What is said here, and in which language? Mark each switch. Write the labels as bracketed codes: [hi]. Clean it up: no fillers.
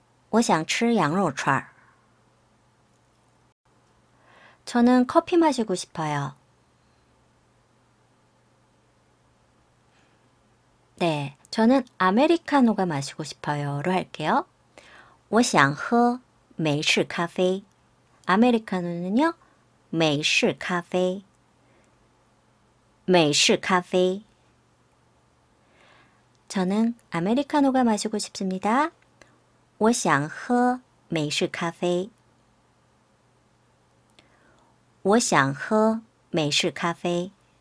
[zh] 我想吃 양로串. [ko] 저는 커피 마시고 싶어요. 네, 저는 아메리카노가 마시고 싶어요로 할게요. [zh] 我想喝美式咖啡. [ko] 아메리카노는요, 美式咖啡. [zh] 美式咖啡. [ko] 저는 아메리카노가 마시고 싶습니다. [zh] 我想喝美式咖啡. 我想喝美式咖啡.